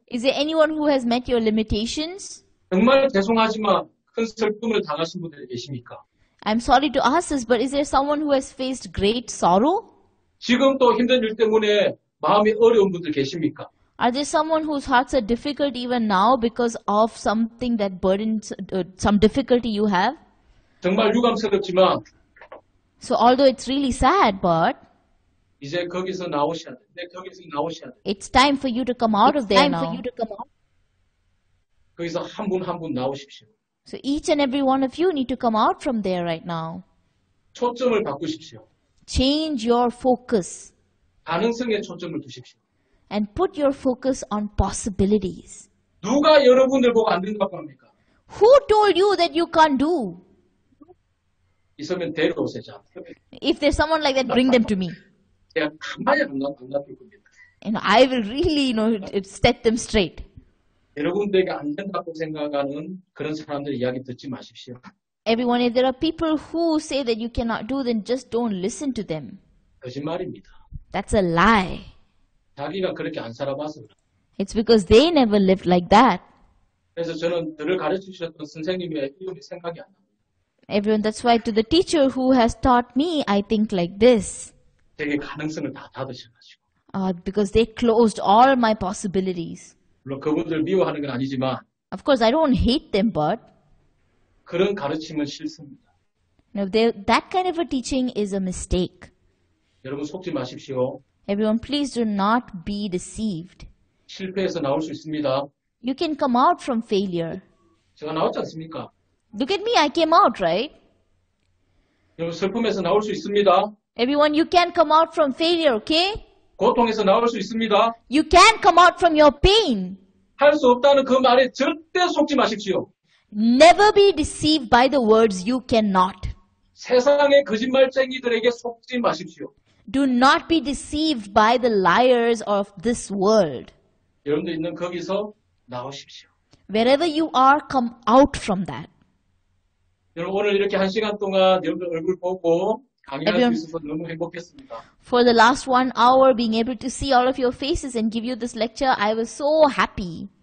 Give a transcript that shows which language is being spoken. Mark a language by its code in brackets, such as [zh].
[en] Is there anyone who has met your limitations? [ko] 정말 죄송하지만 큰 슬픔을 당하신 분들 계십니까? [en] I'm sorry to ask this, but is there someone who has faced great sorrow? [ko] 지금도 힘든 일 때문에 마음이 어려운 분들 계십니까? [en] Are there someone whose hearts are difficult even now because of something that burdens, some difficulty you have? [ko] 정말 유감스럽지만 [en] So although it's really sad, but [ko] 이제 거기서 나오셔야 돼. 이제 거기서 나오셔야 돼. [en] It's time for you to come out of there now. It's time for you to come out. [ko] 거기서 한 분 한 분 나오십시오. [en] So each and every one of you need to come out from there right now. [ko] 초점을 바꾸십시오. [en] Change your focus. [ko] 가능성에 초점을 두십시오. [en] And put your focus on possibilities. [ko] 누가 여러분들 보고 안 된다고 합니까? [en] Who told you that you can't do? [ko] 있으면 데려오세요, 저한테. [en] If there's someone like that, bring them to me. [ko] 제가 가만히 안 놔둘 겁니다. [en] And I will really, you know, set them straight. [ko] 여러분들에게 안 된다고 생각하는 그런 사람들 이야기 듣지 마십시오. [en] Everyone, if there are people who say that you cannot do, then just don't listen to them. [ko] 거짓말입니다. [en] That's a lie. [ko] 자기가 그렇게 안 살아봐서. [en] It's because they never lived like that. [ko] 그래서 저는 늘 가르쳐 주셨던 선생님의 이름이 생각이 안 납니다. [en] Everyone, that's why to the teacher who has taught me, I think like this. [ko] 되게 가능성을 다 닫으셔가지고. [en] Because they closed all my possibilities. [ko] 물론 그분들 미워하는 건 아니지만 [en] Of course, I don't hate them, but [ko] 그런 가르침은 싫습니다. [en] No, that kind of a teaching is a mistake. [ko] 여러분 속지 마십시오. [en] Everyone, please do not be deceived. [ko] 실패해서 나올 수 있습니다. [en] You can come out from failure. [ko] 제가 나왔지 않습니까? [en] Look at me, I came out, right? [ko] 여러분 슬픔에서 나올 수 있습니다. [en] Everyone, you can come out from failure, okay? [ko] 고통에서 나올 수 있습니다. [en] You can come out from your pain. [ko] 할 수 없다는 그 말에 절대 속지 마십시오. [en] Never be deceived by the words you cannot. [ko] 세상의 거짓말쟁이들에게 속지 마십시오. [en] Do not be deceived by the liars of this world. [ko] 여러분도 있는 거기서 나오십시오. [en] Wherever you are, come out from that. [ko] 여러분 오늘 이렇게 한 시간 동안 여러분 얼굴 보고 강의할 수 있어서 너무 행복했습니다. [en] For the last one hour, being able to see all of your faces and give you this lecture, I was so happy.